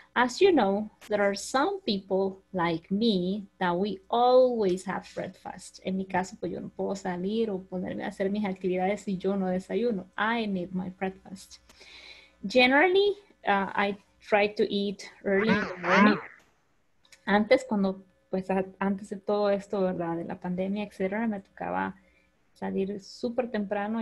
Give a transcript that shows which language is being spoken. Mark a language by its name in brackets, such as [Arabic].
[English] As you know, there are some people like me that we always have breakfast. [Spanish] En mi caso, pues yo no puedo salir o ponerme a hacer mis actividades si yo no desayuno. [English] I need my breakfast. Generally, I try to eat early in the morning. [Spanish] Antes, cuando, pues antes de todo esto, ¿verdad? De la pandemia, etcétera, me tocaba salir súper temprano.